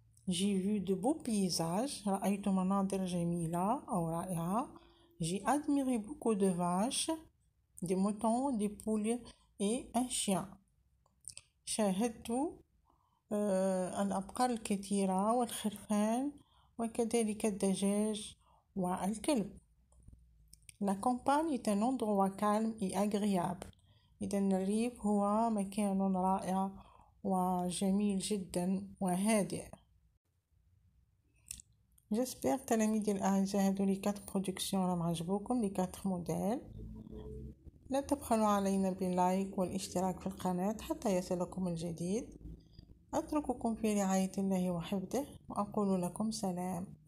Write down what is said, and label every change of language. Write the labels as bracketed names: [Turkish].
[French] J'ai vu de beaux paysages. [Arabic] رأيت مناظر جميلة أو رائعة. [French] J'ai admiré beaucoup de vaches, des moutons, des poules et un chien. [Arabic] شاهدت الأبقار الكثيرة والخرفان وكذلك الدجاج والكلب. [French] La campagne est un endroit calme et agréable. [Arabic] إذن الريف هو مكان رائع وجميل جدا وهادئ. جسبر تلاميذي الأعزاء هذو لي 4 برودكسيون راهم عجبوكم لي 4 موديل. لا تبخلوا علينا باللايك والاشتراك في القناة حتى يصلكم الجديد. أترككم في رعاية الله وحفظه وأقول لكم سلام.